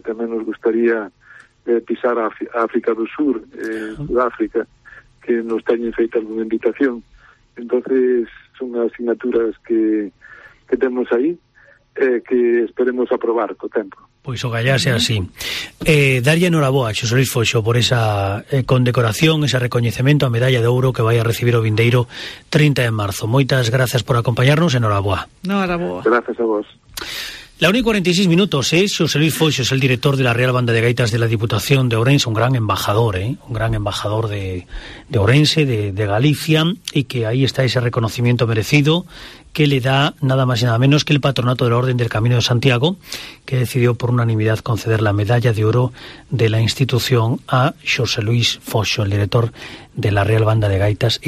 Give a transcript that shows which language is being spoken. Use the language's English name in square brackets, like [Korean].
[Spanish] También nos gustaría pisar a África del Sur, Sudáfrica, que nos tenga feita alguna invitación. Entonces son asignaturas que tenemos ahí, que esperemos aprobar con tiempo. [Galician] Pois o gallase así. Darlle enhoraboa, Xosé Luís Foxo, por esa condecoración, ese recoñecemento, a medalla de ouro que vai a recibir o vindeiro 30 de marzo. Moitas gracias por acompañarnos, enhoraboa. Enhoraboa. Gracias a vos. [Spanish] La 1:46 minutos, Xosé Luís Foxo es el director de la Real Banda de Gaitas de la Diputación de Ourense, un gran embajador, un gran embajador de Ourense, de Galicia, y que ahí está ese reconocimiento merecido que le da nada más y nada menos que el Patronato de la Orden del Camino de Santiago, que decidió por unanimidad conceder la medalla de oro de la institución a Xosé Luís Foxo, el director de la Real Banda de Gaitas.